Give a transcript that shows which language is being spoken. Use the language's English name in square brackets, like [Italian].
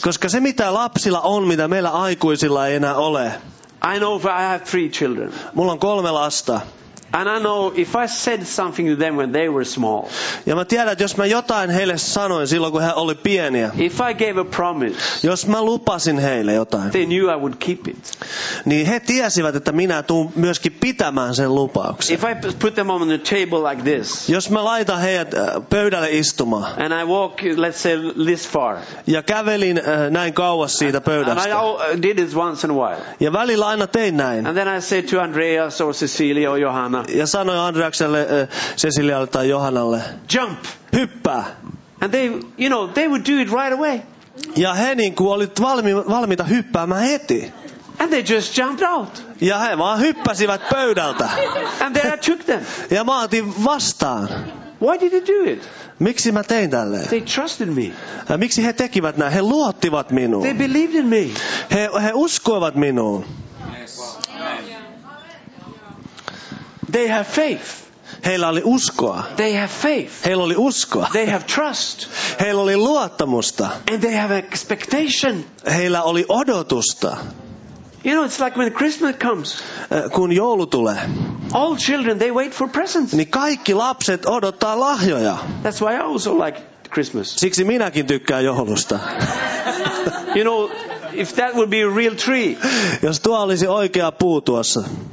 [Finnish] Koska se mitä lapsilla on, mitä meillä aikuisilla ei enää ole. [English] I know if I have three children. [Finnish] Mulla on kolme lasta. [English] And I know if I said something to them when they were small. [Finnish] Ja mä tiedän, jos mä jotain heille sanoin silloin kun he oli pieniä. [English] If I gave a promise. [Finnish] Jos mä lupasin heille jotain. [English] They knew I would keep it. [Finnish] Niin he tiesivät, että minä tuun myöskin pitämään sen lupauksen. [English] If I put them on the table like this. [Finnish] Jos mä laitan heidät pöydälle istumaan. [English] And I walk, let's say, this far. [Finnish] Ja kävelin näin kauas siitä pöydästä. [English] And I did it once in a while. [Finnish] Ja välillä aina tein näin. [English] And then I said to Andreas or Cecilia or Johanna. [Finnish] Ja sanoi Andreakselle, Cecilialle tai Johannalle. [English] Jump. [Finnish] Hyppää. [English] And they, you know, they would do it right away. [Finnish] Ja he niin kuin olivat valmiita hyppäämään heti. [English] And they just jumped out. [Finnish] Ja he vaan hyppäsivät pöydältä. [English] And then I took them. [Finnish] Ja mä otin vastaan. [English] Why did they do it? [Finnish] Miksi mä tein tälleen? [English] They trusted me. [Finnish] Ja miksi he tekivät näin? He luottivat minuun. [English] They believed in me. [Finnish] He uskoivat minuun. [English] They have faith. [Finnish] Heillä oli uskoa. [English] They have faith. [Finnish] Heillä oli uskoa. [English] They have trust. [Finnish] Heillä oli luottamusta. [English] And they have expectation. [Finnish] Heillä oli odotusta. [English] You know, it's like when Christmas comes. [Finnish] Kun joulu tulee. [English] All children, they wait for presents. [Finnish] Niin kaikki lapset odottaa lahjoja. [English] That's why I also like Christmas. [Finnish] Siksi minäkin tykkään joulusta. [English] You know, if that would be a real tree. [Finnish] Jos tuo olisi oikea puu tuossa.